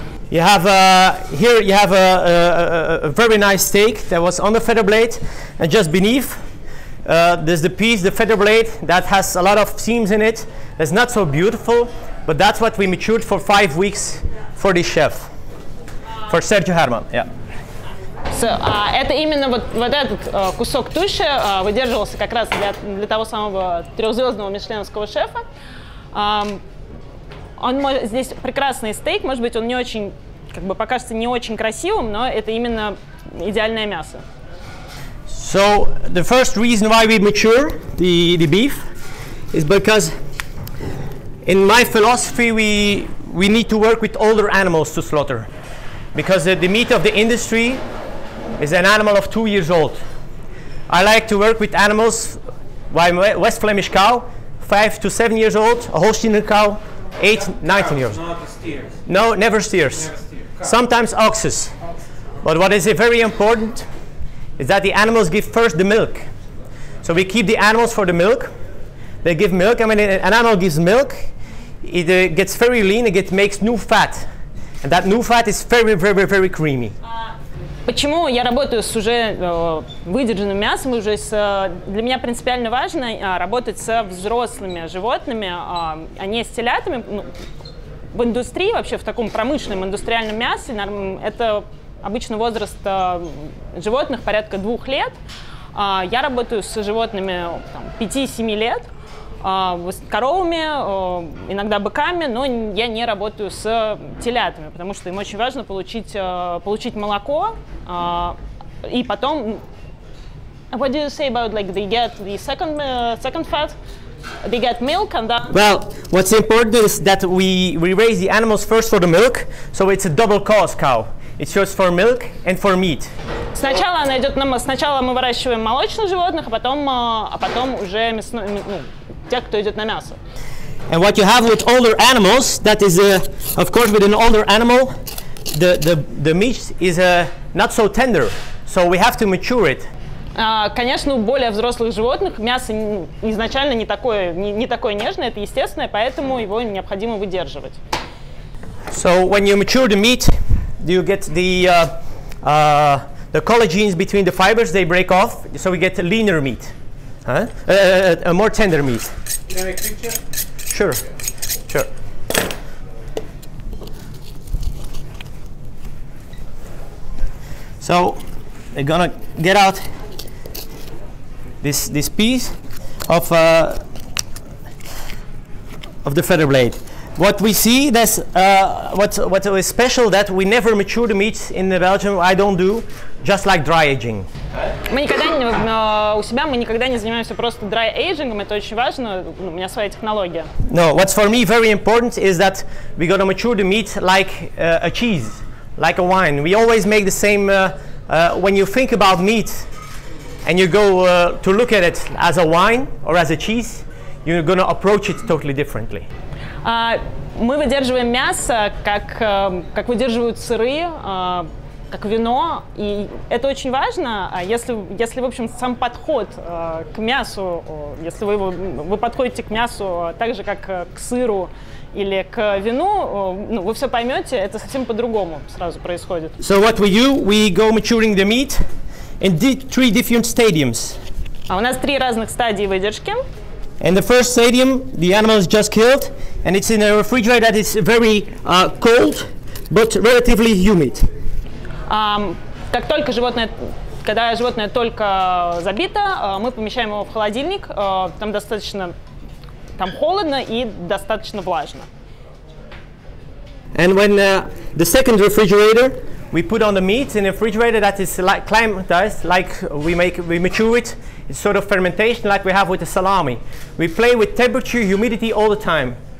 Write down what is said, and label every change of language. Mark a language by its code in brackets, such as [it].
[en] You have here you have a very nice steak that was on the feather blade, and just beneath there's the piece, the feather blade that has a lot of seams in it. It's not so beautiful, but that's what we matured for 5 weeks for the chef, for Sergio Herman. Yeah. [ru] получается, это именно вот этот кусок туши выдерживался как раз для того самого трехзвездного мишленовского шефа. Здесь прекрасный стейк, может быть, он не очень, как бы покажется не очень красивым, но это именно идеальное мясо. [en] So the first reason why we mature the beef is because in my philosophy we need to work with older animals to slaughter. Because the meat of the industry is an animal of 2 years old. I like to work with animals, West Flemish cow, 5 to 7 years old, a Holstein cow, 8, 19 years old. Not steers. No, never steers. Never steer. Sometimes oxes. But what is very important is that the animals give first the milk. So we keep the animals for the milk. They give milk, and when an animal gives milk, it gets very lean, it makes new fat. And that new fat is very, very, very creamy. [ru] Почему я работаю с уже выдержанным мясом? Уже для меня принципиально важно работать с взрослыми животными, а не с телятами. В индустрии, вообще в таком промышленном индустриальном мясе, это обычно возраст животных порядка 2 лет. Я работаю с животными 5-7 лет. С коровами, иногда быками, но я не работаю с телятами, потому что им очень важно получить молоко, и потом... [en] What do you say about, like, they get the second fat? They get milk and that... Well, what's important is that we raise the animals first for the milk, so it's a double cause cow. It's just for milk and for meat. [ru] Сначала мы выращиваем молочных животных, а потом уже мясную... Ну, тех, кто идет на мясо. [en] And what you have with older animals, that is, of course, with an older animal, the meat is not so tender, so we have to mature it. [ru] Конечно, у более взрослых животных мясо изначально не такое нежное, это естественное, поэтому его необходимо выдерживать. [en] So when you mature the meat, you get the collagens between the fibers, they break off, so we get leaner meat. A more tender meat. Can I picture? Sure. Yeah. Sure. So they're gonna get out this piece of the feather blade. What we see that's what is special that we never mature the meat in Belgium. I don't do just like dry aging. [ru] Мы никогда не, у себя мы никогда не занимаемся просто dry aging, это очень важно, у меня своя технология. [en] No, what's for me very important is that we gotta mature the meat like a cheese, like a wine. We always make the same, when you think about meat and you go to look at it as a wine or as a cheese, you're gonna approach it totally differently. [ru] Мы выдерживаем мясо, как выдерживают сыры, как вино, и это очень важно, если в общем, сам подход к мясу, если вы подходите к мясу так же, как к сыру или к вину, ну, вы все поймете, это совсем по-другому сразу происходит. [en] So what we do, we go maturing the meat in three different stadiums. [ru] А у нас три разных стадии выдержки. [en] And the first stadium, the animal is just killed, and it's in a refrigerator that is very cold, but relatively humid. [ru] Как только животное, когда животное только забито, мы помещаем его в холодильник. Там достаточно, там холодно и достаточно влажно. [en] And when the second refrigerator, we put on the meat in a refrigerator that is like climatized, like we mature it. It's sort of fermentation like we have with the salami. We play with temperature, humidity all the time.